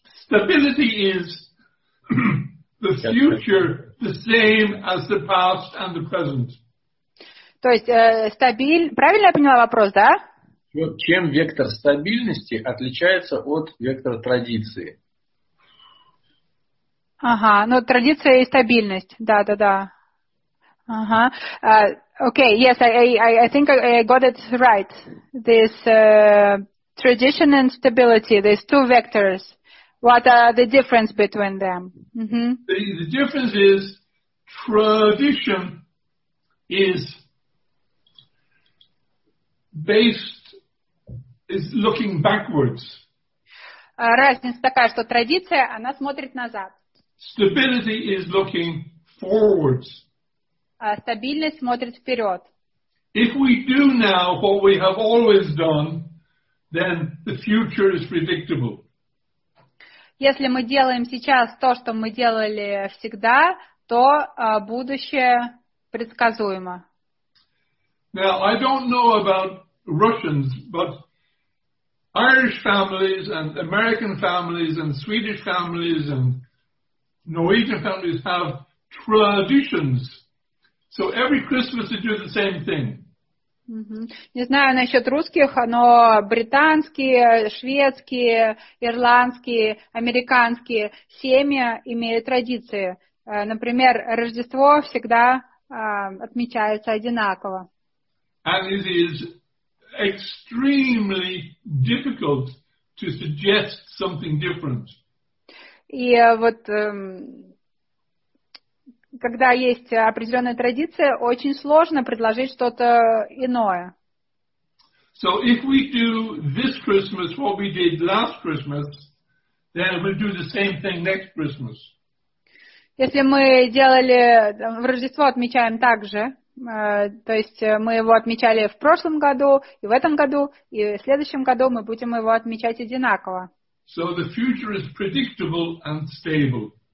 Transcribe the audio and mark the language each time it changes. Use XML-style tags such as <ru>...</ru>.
<en>Stability is the future the same as the past and the present.</en> <ru>То есть правильно я поняла вопрос, да? Чем вектор стабильности отличается от вектора традиции? Ага, ну традиция и стабильность, да-да-да.</ru> <en>Ага, okay, yes, I think I got it right. This tradition and stability, these two vectors, what are the difference between them? Mm-hmm. The difference is tradition is based, is looking backwards.</en> <ru>Разница такая, что традиция, она смотрит назад.</ru> <en>Stability is looking forwards.</en> <ru>Стабильность смотрит вперед.</ru> <en>If we do now what we have always done, then the future is predictable.</en> <ru>Если мы делаем сейчас то, что мы делали всегда, то будущее предсказуемо.</ru> <en>Now, I don't know about Russians, but Irish families and American families and Swedish families and Norwegian families have traditions. So every Christmas they do the same thing.</en> <ru>Mm-hmm. Не знаю насчет русских, но британские, шведские, ирландские, американские семьи имеют традиции. Например, Рождество всегда отмечается одинаково.</ru> <en>And it is extremely difficult to suggest something different.</en> <ru>И вот когда есть определенная традиция, очень сложно предложить что-то иное.</ru> <en>So if we do this Christmas what we did last Christmas, then we'll do the same thing next Christmas.</en> <ru>Если мы делали в Рождество отмечаем так же, то есть мы его отмечали в прошлом году, и в этом году, и в следующем году мы будем его отмечать одинаково.</ru> <en>So the future is predictable and stable.</en>